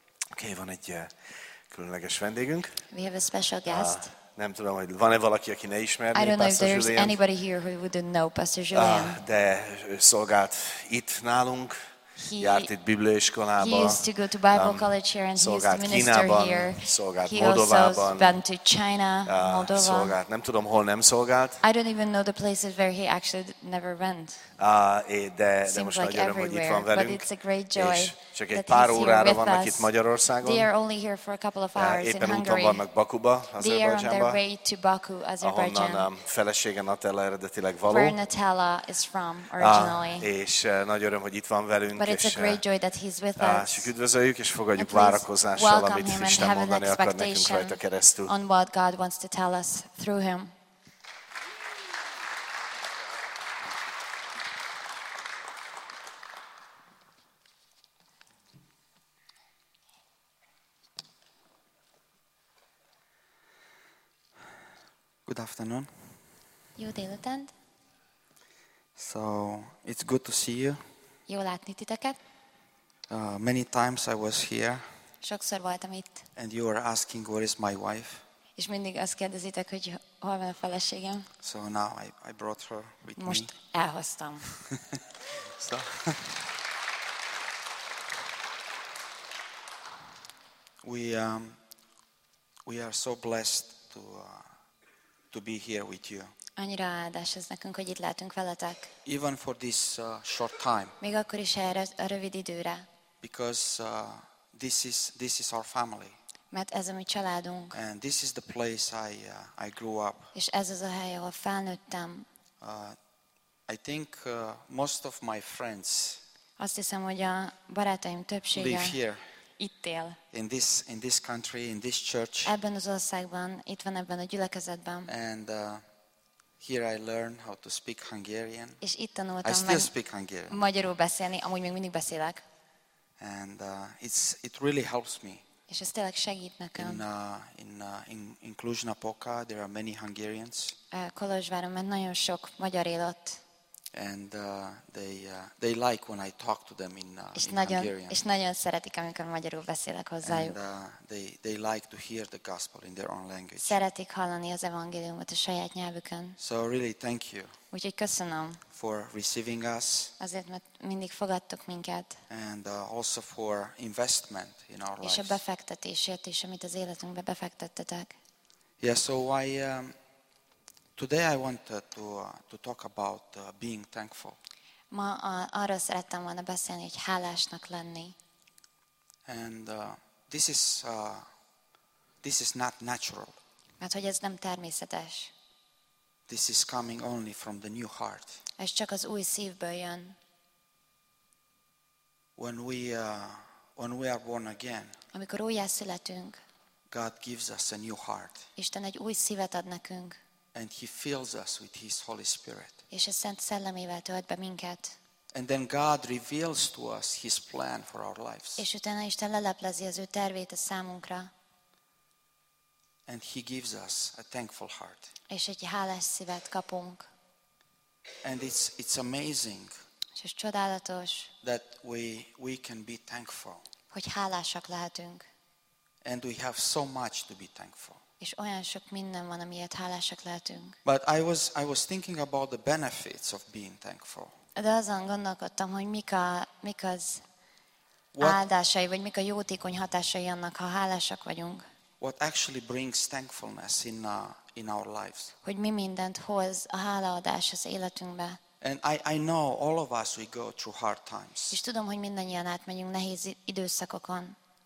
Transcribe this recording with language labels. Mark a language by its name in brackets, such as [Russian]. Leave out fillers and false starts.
[Hungarian] Okay, van egy különleges vendégünk. [English] We have a special guest. [Hungarian] Nem tudom, hogy van-e valaki, aki ne ismerné [English] Pastor Julien. I don't know if there's anybody here who wouldn't know Pastor Julien. [Hungarian] De szolgált itt nálunk. Járt itt Bibliaiskolába. [English] He used to go to Bible college here and [Hungarian] szolgált [English] he's the minister Kínában, here. [Hungarian] Szolgált [English] he [Hungarian] Moldovában. [English] Also went to China, Moldova. [Hungarian] Szolgált, nem tudom, hol nem szolgált. [English] I don't even know the places where he actually never went. [Hungarian] De most nagy öröm, hogy itt van velünk. [English] But it's a great joy. [Hungarian] És csak egy pár órára vannak itt Magyarországon. [English] They are only here for a couple of hours [Hungarian] éppen [English] in [Hungarian] úton vannak Bakuba, Azerbajdzsánba. [English] They are on their way to Baku, Azerbaijan. [Hungarian] Ahonnan a felesége Natella eredetileg való. [English] Where Natella is from originally. [Hungarian] És nagy öröm, hogy itt van velünk. [English] But it's a great joy that he's with us. [Hungarian] És üdvözöljük és fogadjuk várakozással, amit Isten mondani akar nekünk rajta keresztül. [English] On what God wants to tell us through him. Good afternoon. [Hungarian] Jó délután. [English] So it's good to see you. [Hungarian] Jó látni titeket. [English] Many times I was here. [Hungarian] Sokszor voltam itt. [English] And you are asking where is my wife? [Hungarian] És mindig azt kérdezitek, hogy hol van a feleségem. [English] So now I brought her with me. [Hungarian] Most elhoztam. [English] So. We are so blessed to be here with you. [Hungarian] Annyira áldás ez nekünk, hogy itt lehetünk veletek. [English] Even for this short time. [Hungarian] Még akkor is erre a rövid időre. [English] Because this is our family. [Hungarian] Mert ez a mi családunk. [English] And this is the place I grew up. [Hungarian] És ez az a hely, ahol felnőttem. [English] I think most of my friends. [Hungarian] Azt hiszem, hogy a barátaim többsége. [English] Live here. [Hungarian] Itt él. [English] In this country, in this church. [Hungarian] Ebben az országban, itt van ebben a gyülekezetben. [English] And here I learned how to speak Hungarian. [Hungarian] És itt tanultam. [English] I still speak Hungarian. [Hungarian] Magyarul beszélni, amúgy még mindig beszélek. [English] And it really helps me. [Hungarian] És ez tényleg segít nekem. [English] In Cluj-Napoca there are many Hungarians. [Hungarian] Kolozsváron már nagyon sok magyar él ott. [English] And they like when I talk to them in Hungarian. [Hungarian] És nagyon szeretik, amikor magyarul beszélek hozzájuk. [English] And they like to hear the gospel in their own language. [Hungarian] Szeretik hallani az evangéliumot a saját nyelvükön. [English] So really thank you. [Hungarian] Úgyhogy köszönöm. [English] For receiving us. [Hungarian] Azért, mert mindig fogadtok minket. [English] And also for investment in our lives. [Hungarian] És a befektetésért is, amit az életünkbe befektettetek. [English] Yeah, so I today I wanted to talk about being thankful. [Hungarian] Ma arról szerettem volna beszélni, hogy hálásnak lenni. [English] And this is not natural. [Hungarian] Mert hogy ez nem természetes. [English] This is coming only from the new heart. [Hungarian] Ez csak az új szívből jön. [English] When we are born again. [Hungarian] Amikor újjászületünk. [English] God gives us a new heart. [Hungarian] Isten egy új szívet ad nekünk. [English] And he fills us with his Holy Spirit. [Hungarian] És a Szent Szellemével tölt be minket. [English] And then God reveals to us his plan for our lives. [Hungarian] És utána Isten leleplezi az ő tervét a számunkra. [English] And he gives us a thankful heart. [Hungarian] És egy hálás szívet kapunk. [English] And it's amazing. [Hungarian] És ez csodálatos. [English] That we can be thankful. [Hungarian] Hogy hálásak lehetünk. [English] And we have so much to be thankful. [Hungarian] És olyan sok minden van, amiért hálásak lehetünk. [English] But I was thinking about the benefits of being thankful. [Hungarian] De azon gondolkodtam, hogy mik az áldásai, vagy mik a jótékony hatásai annak, ha hálásak vagyunk. [English] What actually brings thankfulness in our lives? [Hungarian] Hogy mi mindent hoz a hálaadás az életünkbe? [English] And I know all of us we go through hard times. [Hungarian] És tudom, hogy mindannyian átmegyünk nehéz időszakokon.